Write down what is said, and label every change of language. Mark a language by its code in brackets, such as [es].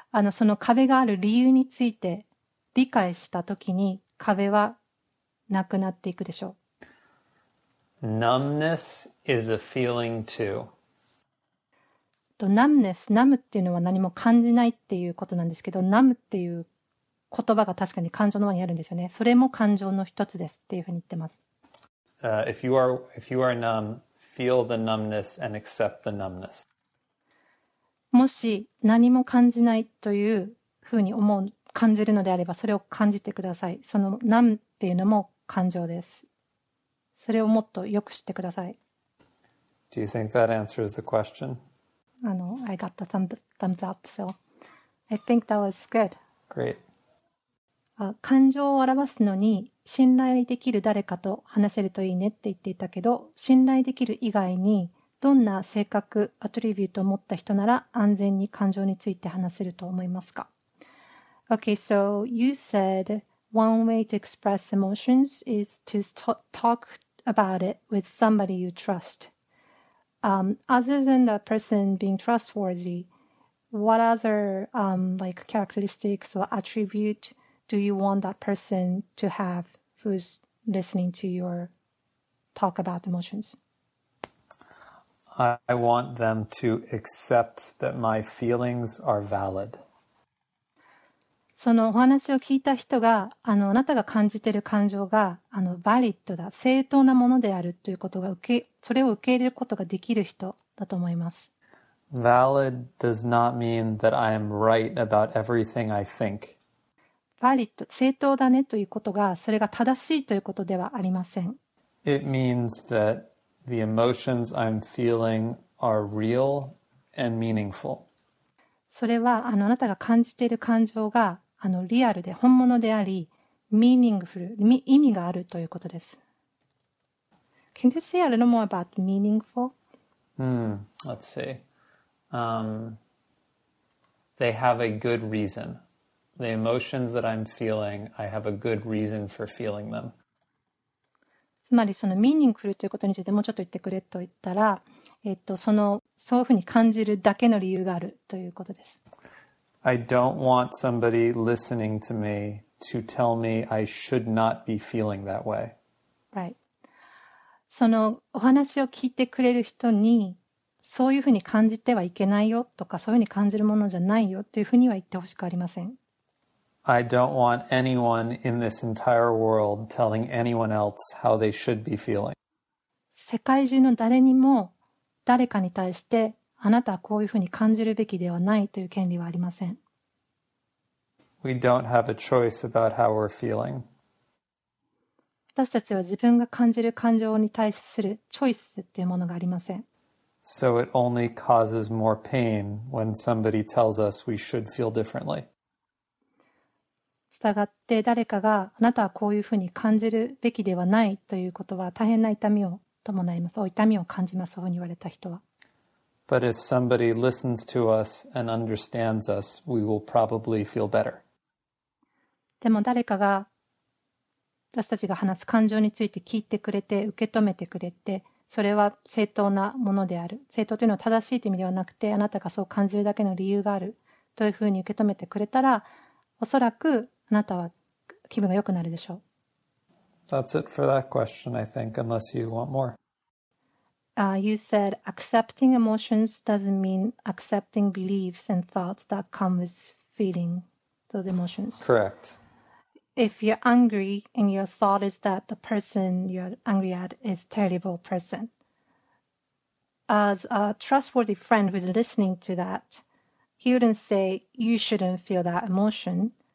[ja] その壁がある理由について理解したときに壁はなくなっていくでしょう。 [en] Numbness is a feeling too. [ja] Numbness, numb っていうのは何も感じないっていうことなんですけど、numb っていう言葉が確かに感情の輪にあるんですよね。それも感情の一つですっていうふうに言ってます。 [en] If you are numb, feel the numbness and accept the numbness. [ja] もし何も感じないというふうに思う、感じるのであれば、それを感じてください。その numb っていうのも感情です。それをもっとよく知ってください。 [en] Do you think that answers the question? I got the thumbs up, so I think that was good. Great. [ja] 感情を表すのに信頼できる誰かと話せるといいねって言っていたけど、信頼できる以外にどんな性格、アトリビュートを持った人なら安全に感情について話せると思いますか? [en] Okay, so you said one way to express emotions is to talk about it with somebody you trust. Other than the person being trustworthy, what other characteristics or attribute do you want that person to have who's listening to your talk about emotions? I want them to accept that my feelings are valid. [ja] そのお話を聞いた人が、あなたが感じている感情が、valid だ、正当なものであるということが、それを受け入れることができる人だと思います。 [en] Valid does not mean that I am right about everything I think. [ja] Valid、正当だねということが、それが正しいということではありません。 [en] It means that the emotions I'm feeling are real and meaningful. [ja] それはあなたが感じている感情がリアルで本物であり、meaningful、意味があるということです。 [en] Can you say a little more about meaningful? Let's see. They have a good reason. The emotions that I'm feeling, I have a good reason for feeling them. [ja] つまりそのミーニングフルということについてもうちょっと言ってくれと言ったら、そういうふうに感じるだけの理由があるということです。 [en] I don't want somebody listening to me to tell me I should not be feeling that way. Right. [ja] そのお話を聞いてくれる人に、そういうふうに感じてはいけないよとか、そういうふうに感じるものじゃないよというふうには言ってほしくありません。 [en] I don't want anyone in this entire world telling anyone else how they should be feeling. [ja] 世界中の誰にも誰かに対してあなたはこういうふうに感じるべきではないという権利はありません。 [en] We don't have a choice about how we're feeling. [ja] 私たちは自分が感じる感情に対するチョイスというものがありません。 [en] So it only causes more pain when somebody tells us we should feel differently. [ja] したがって誰かがあなたはこういうふうに感じるべきではないということは大変な痛みを伴います。お痛みを感じます。そういうふうに言われた人は。 [en] But if somebody listens to us and understands us, we will probably feel better. [ja] でも誰かが私たちが話す感情について聞いてくれて受け止めてくれて、それは正当なものである。正当というのは正しいという意味ではなくて、あなたがそう感じるだけの理由があるというふうに受け止めてくれたら、おそらくあなたは気分が良くなるでしょう。 [en] That's it for that question, I think, unless you want more. You said accepting emotions doesn't mean accepting beliefs and thoughts that come with feeling those emotions. Correct. If you're angry and your thought is that the person you're angry at is a terrible person, as a trustworthy friend who's listening to that, he wouldn't say you shouldn't feel that emotion.